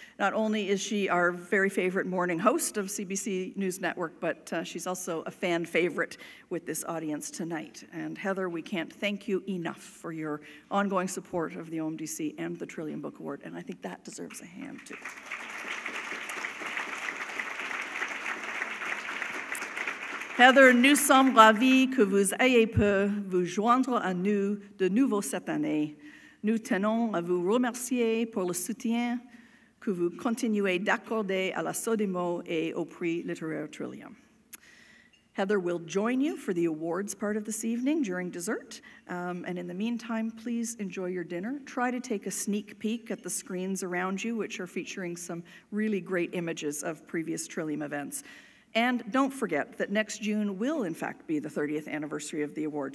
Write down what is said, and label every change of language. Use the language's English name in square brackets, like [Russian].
[English] Not only is she our very favorite morning host of CBC News Network, but she's also a fan favorite with this audience tonight. And Heather, we can't thank you enough for your ongoing support of the OMDC and the Trillium Book Award, and I think that deserves a hand too. [French] Heather, nous sommes ravis que vous ayez pu vous joindre à nous de nouveau cette année. Nous tenons à vous remercier pour le soutien que vous continuez d'accorder à la SODEMO et au Prix littéraire Trillium. [English] Heather will join you for the awards part of this evening during dessert. And in the meantime, please enjoy your dinner. Try to take a sneak peek at the screens around you, which are featuring some really great images of previous Trillium events. And don't forget that next June will, in fact, be the 30th anniversary of the award.